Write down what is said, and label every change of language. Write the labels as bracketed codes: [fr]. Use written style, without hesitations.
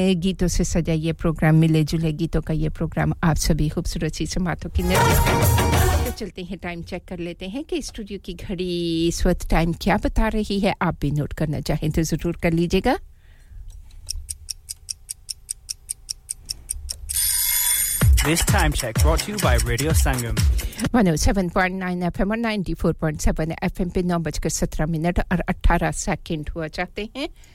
[ur] گیتوں سے سجا یہ پروگرام، ملے جلے گیتوں کا یہ پروگرام آپ سبھی خوبصورت سی سماعتوں کی نظر۔ چلتے ہیں، ٹائم چیک کر لیتے ہیں کہ اسٹوڈیو کی گھڑی اس وقت ٹائم کیا بتا رہی ہے، آپ بھی نوٹ کرنا چاہیں تو ضرور کر لیجیے گا۔ [en] This time check brought to you by Radio Sangam. [ur] 107.9 FM और 94.7 FM पे 9:17 और 18 सेकंड हुआ जाते हैं।